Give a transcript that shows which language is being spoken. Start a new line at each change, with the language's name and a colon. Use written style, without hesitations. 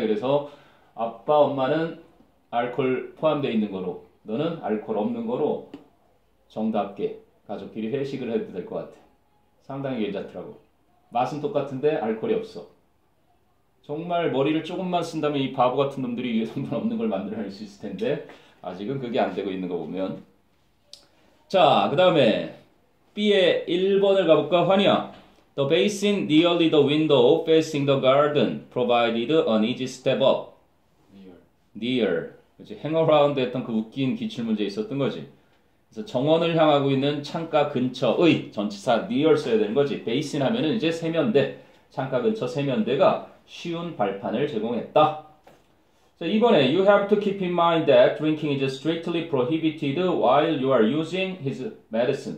Korean: 그래서 아빠, 엄마는 알코올 포함되어 있는 거로, 너는 알코올 없는 거로 정답게 가족끼리 회식을 해도 될것 같아. 상당히 괜찮더라고. 맛은 똑같은데 알코올이 없어. 정말 머리를 조금만 쓴다면 이 바보 같은 놈들이 유해성분 없는 걸 만들어낼 수 있을 텐데, 아직은 그게 안 되고 있는 거 보면. 자, 그 다음에 B의 1번을 가볼까? 환희야.
English: The basin nearly the window facing the garden provided an easy step up.
Korean: near. 그치? hang around 했던 그 웃긴 기출 문제 있었던 거지. 그래서 정원을 향하고 있는 창가 근처의 전치사 near 써야 되는 거지. basin 하면은 이제 세면대. 창가 근처 세면대가 쉬운 발판을 제공했다. 자, 이번에
English: you have to keep in mind that drinking is strictly prohibited while you are using his medicine.